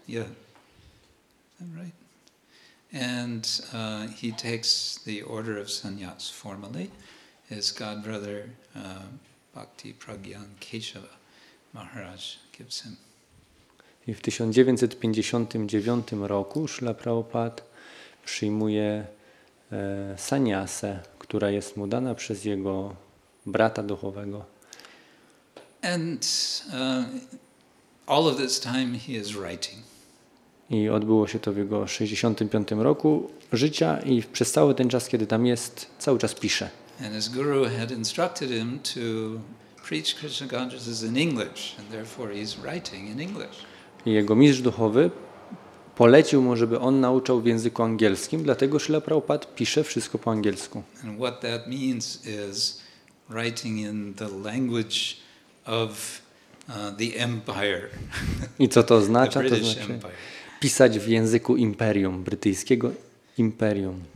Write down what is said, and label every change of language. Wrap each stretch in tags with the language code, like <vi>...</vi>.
<en>Yeah, is that right? And he takes the order of sannyas formally. His godbrother, Bhakti Pragyan Keshava Maharaj, gives him.</en> <pl>I w 1959 roku Śrīla Prabhupāda przyjmuje sannyasę, która jest mu dana przez jego brata duchowego.</pl> <en>And all of this time he is writing.</en> <pl>I odbyło się to w jego 65 roku życia i przez cały ten czas, kiedy tam jest, cały czas pisze.</pl> <en>And his guru had instructed him to preach Krishna consciousness in English, and therefore he's writing in English.</en> <pl>I jego mistrz duchowy polecił mu, żeby on nauczał w języku angielskim, dlatego Śrīla Prabhupāda pisze wszystko po angielsku.</pl> <en>And what that means is writing in the language of the empire.</en> <pl>I co to oznacza? To znaczy pisać w języku imperium, brytyjskiego imperium.</pl>